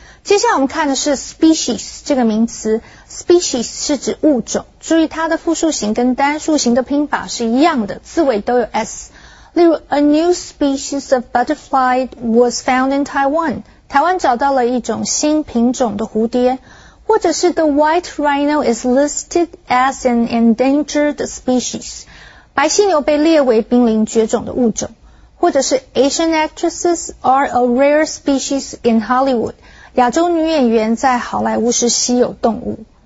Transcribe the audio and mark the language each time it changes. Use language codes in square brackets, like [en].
[zh] 接下来我们看的是 species 这个名词。species 是指物种。注意它的复数型跟单数型的拼法是一样的，字尾都有 S. 例如 [en] A new species of butterfly was found in Taiwan. [zh] 台湾找到了一种新品种的蝴蝶。或者是 [en] The white rhino is listed as an endangered species. [zh] 白犀牛被列为濒临绝种的物种。或者是 [en] Asian actresses are a rare species in Hollywood. [zh] 亚洲女演员在好莱坞是稀有动物。